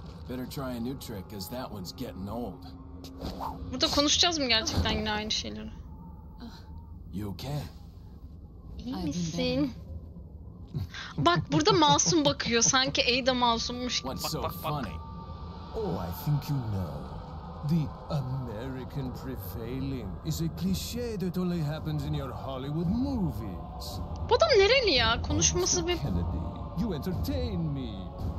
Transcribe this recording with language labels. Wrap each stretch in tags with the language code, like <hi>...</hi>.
<en>Better try a new trick, as that one's getting old.</en> <tr>Burada konuşacağız mı gerçekten yine aynı şeyleri?</tr> <en>You okay?</en> <tr>İyi misin? Bak burada masum bakıyor, sanki Ada masummuş gibi.</tr> <en>What's so</en> <tr>bak, bak,</tr> <en>funny? Oh, I think you know. The American prevailing is a cliche that only happens in your Hollywood movies.</en> <tr>Bu adam nereli ya? Konuşması bir...</tr> <en>Kennedy, you entertain me.</en>